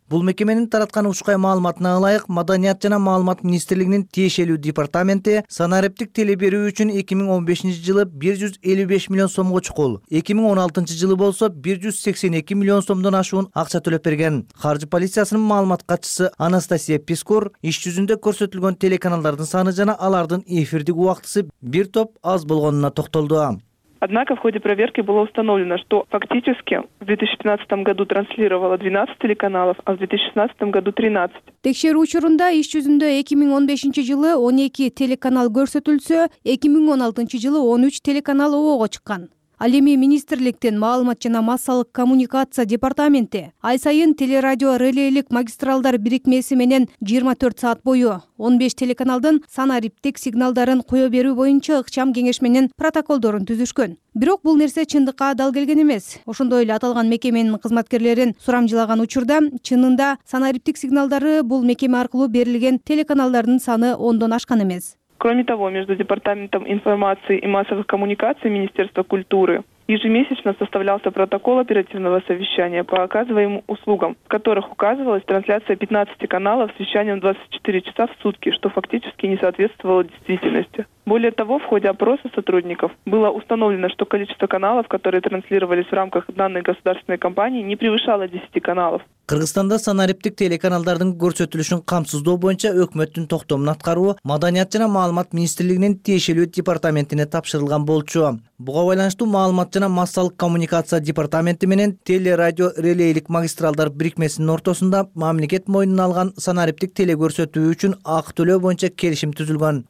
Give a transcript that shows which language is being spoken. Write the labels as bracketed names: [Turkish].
[Kyrgyz] Бул мекеменин тараткан учкай маалыматына ылайык, маданият жана маалымат министрлигинин тиешелүү департаменти санариптик теле берүү үчүн 2015 жылы 155 миллион сомго чукул, 2016 жылы болсо 182 миллион сомдон ашуун акча төлөп берген. Каржы полициясынын маалымат катчысы Анастасия Пискур иш жүзүндө көрсөтүлгөн телеканалдардын саны жана алардын эфирдик убактысы бир топ аз болгонуна токтолду. [Russian] Однако в ходе проверки было установлено, что фактически в 2015 году транслировало 12 телеканалов, а в 2016 году 13. [Kyrgyz] Текшерүү учурунда иш жүзүндө 2015 жылы 12 телеканал көрсөтүлсө, 2016 жылы 13 телеканал обого чыккан. Ал эми министрликтен маалымат жана массалык коммуникация департаменти ай сайын телерадио релейлик магистралдар бирикмеси менен 24 саат бою 15 телеканалдын санариптик сигналдарын кое берүү боюнча ыкчам кеңеш менен протоколдорун түзүшкөн. Бирок бул нерсе чындыкка дал келген эмес. Ошондой эле аталган мекеменин кызматкерлерин сурам жылаган учурда чынында санариптик сигналдары бул мекеме аркылуу берилген телеканалдардын саны 10 ашкан эмес. [Russian] Кроме того, между Департаментом информации и массовых коммуникаций Министерства культуры ежемесячно составлялся протокол оперативного совещания по оказываемым услугам, в которых указывалась трансляция 15 каналов с вещанием 24 часа в сутки, что фактически не соответствовало действительности. Более того, в ходе опроса сотрудников было установлено, что количество каналов, которые транслировались в рамках данной государственной кампании, не превышало 10 каналов. [Kyrgyz] Кыргызстанда санариптик телеканалдардын көрсөтүлүшүн камсыздоо боюнча өкмөттүн токтомун аткаруу маданият жана маалымат министрлигинин тиешелүү департаментине тапшырылган болчу. Буга байланыштуу маалымат жана массалык коммуникация департаменти менен телерадио релейлик магистралдар бирикмесинин ортосунда мамлекет мойнуна алган санариптик телекөрсөтүү үчүн акы төлөө боюнча келишим түзүлгөн.